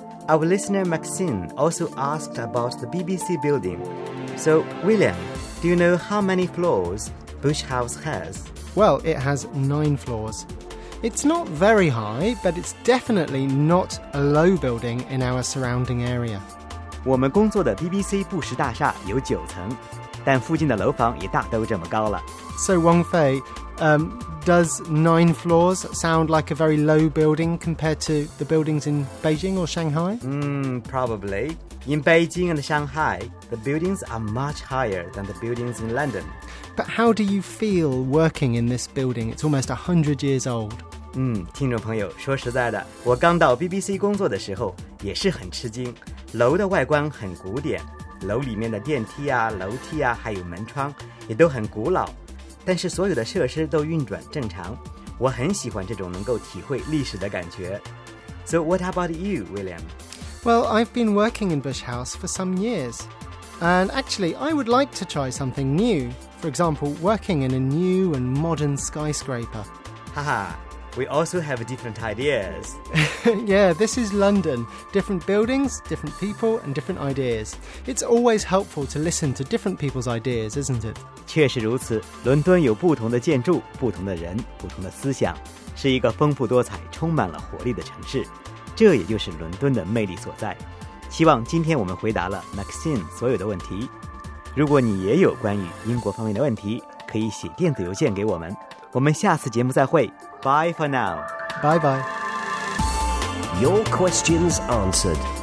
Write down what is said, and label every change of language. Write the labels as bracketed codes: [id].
[en] Our listener Maxine also asked about the BBC building. So, William, do you know how many floors Bush House has? Well, it has 9 floors. It's not very high, but it's definitely not a low building in our surrounding area. [zh] 我们工作的 BBC 布什大厦有9层，但附近的楼房也大都这么高了。 [en] So, Wang Fei, Does 9 floors sound like a very low building compared to the buildings in Beijing or Shanghai? Probably. In Beijing and Shanghai, the buildings are much higher than the buildings in London. But how do you feel working in this building? It's almost 100 years old. [zh] 听众朋友，说实在的，我刚到 BBC 工作的时候也是很吃惊。楼的外观很古典，楼里面的电梯啊、楼梯啊，还有门窗也都很古老。但是所有的设施都运转正常，我很喜欢这种能够体会历史的感觉。 [en] So what about you, William? Well, I've been working in Bush House for some years. And actually, I would like to try something new. For example, working in a new and modern skyscraper. 哈哈， We also have different ideas. Yeah, this is London. Different buildings, different people, and different ideas. It's always helpful to listen to different people's ideas, isn't it? [zh] 确实如此，伦敦有不同的建筑、不同的人、不同的思想，是一个丰富多彩、充满了活力的城市。这也就是伦敦的魅力所在。希望今天我们回答了 Maxine 所有的问题。如果你也有关于英国方面的问题，可以写电子邮件给我们。我们下次节目再会。 [en] Bye for now. Bye bye. Your questions answered.